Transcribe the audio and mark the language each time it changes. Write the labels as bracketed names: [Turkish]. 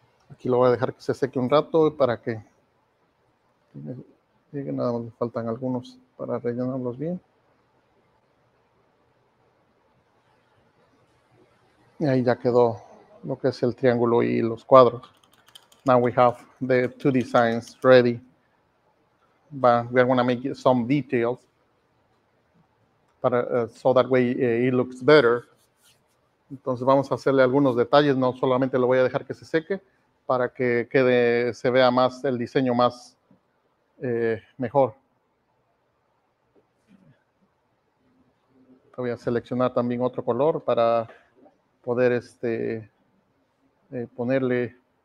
[Spanish] Aquí lo voy a dejar que se seque un rato para que llegue, nada más faltan algunos para rellenarlos bien. Y ahí ya quedó lo que es el triángulo y los cuadros. [English] Now we have the two designs ready. But we are going to make some details so that way it looks better. [Spanish] Entonces vamos a hacerle algunos detalles, no solamente lo voy a dejar que se seque, para que quede, se vea más el diseño más mejor. Voy a seleccionar también otro color para poder ponerle.